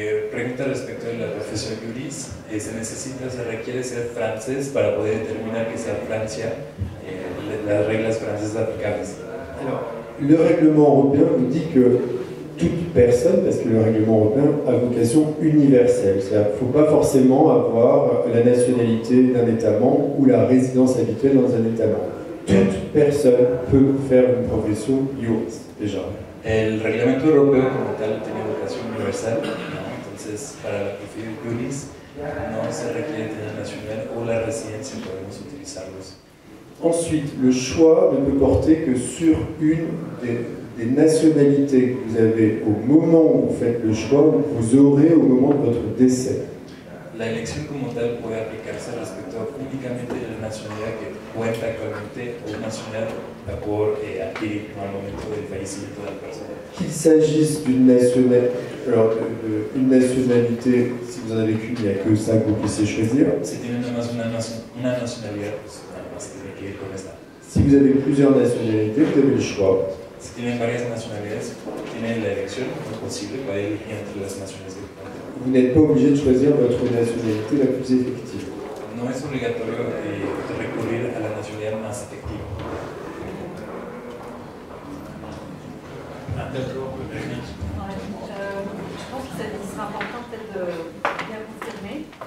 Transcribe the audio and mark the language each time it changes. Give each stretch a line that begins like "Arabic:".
Spanish: Pregunta respecto de la profesión juris, se requiere ser francés para poder determinar que sea Francia las reglas francesas aplicables.
French: Le règlement européen nous dit que toute personne, parce que le règlement européen a vocation universelle, c'est-à-dire qu'il ne faut pas forcément avoir la nationalité d'un État membre ou la résidence habituelle dans un État membre. Toute personne peut faire une profession juris, déjà.
Spanish: El reglamento europeo como tal tiene vocación universal, ¿no? Entonces para la profesión juris no se requiere tener nacional o la residencia, podemos utilizarlos.
French: Ensuite, le choix ne peut porter que sur une des nationalités que vous avez au moment où vous faites le choix, ou vous aurez au moment de votre décès.
Spanish: La elección como tal puede aplicarse respecto únicamente de la nacionalidad que cuenta actualmente o nacional a por adquirir en el momento del fallecimiento de la persona.
French: Qu'il s'agisse d'une nationalité, alors une nationalité, si vous en avez qu'une, il n'y a que ça que vous puissiez choisir.
Spanish: Si tiene nomás una nacionalidad, pues nada más tiene que ir con esta.
French: Si vous avez plusieurs nationalités, vous avez le choix.
Spanish: Si tiene varias nacionalidades, tiene la elección, es posible, puede elegir entre las naciones que cuenta.
French: Vous n'êtes pas obligé de choisir votre nationalité la plus effective. Non, c'est obligatoire de recourir à la nationalité la plus effective. Je pense que ça sera important peut-être de bien confirmer.